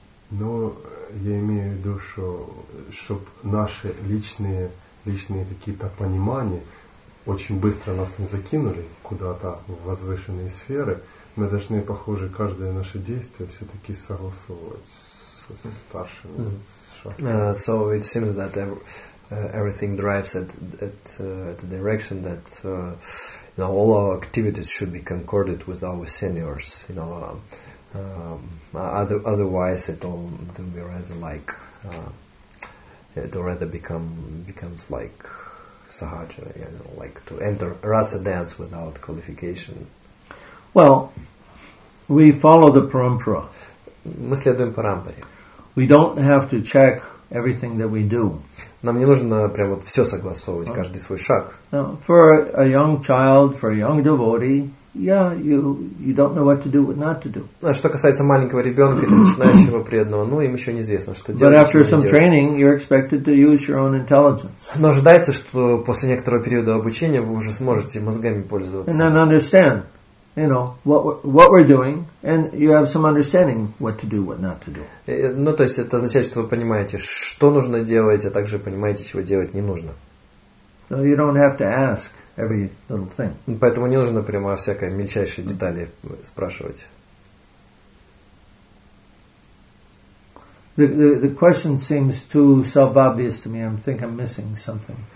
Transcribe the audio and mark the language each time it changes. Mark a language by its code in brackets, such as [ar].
[ru] Ну, я имею в виду, чтобы наши личные какие-то понимания очень быстро нас не закинули куда-то в возвышенные сферы, мы должны, похоже, каждое наше действие все-таки согласовывать со старшими. [en] So it seems that everything drives at the direction that all our activities should be concorded with our seniors. You know, otherwise it will rather become like Sahaja, you know, like to enter rasa dance without qualification. Well, we follow the parampara. [ru] Мы следуем парампаре. [en] We don't have to check everything that we do. [ru] Нам не нужно прям вот все согласовывать, [en] okay, [ru] каждый свой шаг. [en] Now, for a young child, for a young devotee, yeah, you don't know what to do, what not to do. [ru] А что касается маленького ребенка, начинающего преданного, ну, им еще неизвестно, что делать. [en] But after some training, you're expected to use your own intelligence. [ru] Но ожидается, что после некоторого периода обучения вы уже сможете мозгами пользоваться. [en] And then understand, you know, what we're doing, and you have some understanding what to do, what not to do. [ru] Ну, то есть это означает, что вы понимаете, что нужно делать, а также понимаете, чего делать не нужно. [en] So you don't have to ask every little thing. [ru] Поэтому не нужно прямо о всякой мельчайшей детали спрашивать. [en] The question seems too self-obvious to me. I think I'm missing something.